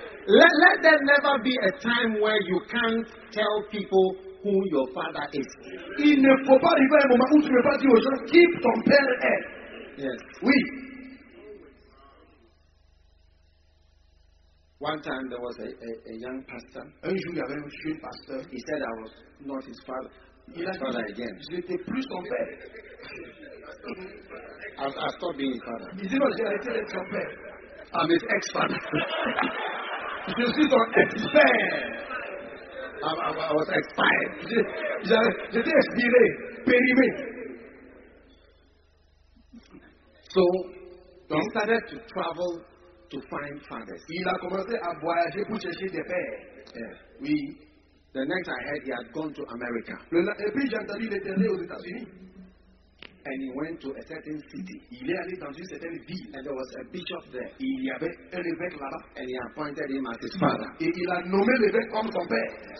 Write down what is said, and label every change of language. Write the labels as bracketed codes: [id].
[en] Let there never be a time where you can't tell people who your father is. [fr] Il ne faut pas arriver à un moment où tu ne peux pas dire aux gens qui ton père est. [en] Yes. [fr] Oui. [en] One time there was a young pastor. [fr] Un jour il y avait un jeune pasteur. [en] He said I was not his father. [fr] Il a [en] father [fr] dit, [en] again. [fr] Je n'étais plus ton père. [en] I stopped being his father. [fr] Il dit non, j'ai arrêté d'être ton père. [en] I'm his ex-father. [fr] Je suis ton ex-père. [en] I was expired. [fr] J'étais expiré, périmé. [en] So he started to travel to find fathers. [fr] Il a commencé à voyager pour chercher des pères. [en] Yeah. We, the next I heard, he had gone to America. [fr] Et puis j'ai entendu qu'il était allé aux États-Unis. [en] And he went to a certain city. [fr] Il est allé dans une certaine ville. [en] And there was a bishop there. [fr] Il y avait un évêque là-bas. [en] And he appointed him as his father. [fr] Et il a nommé l'évêque comme son père.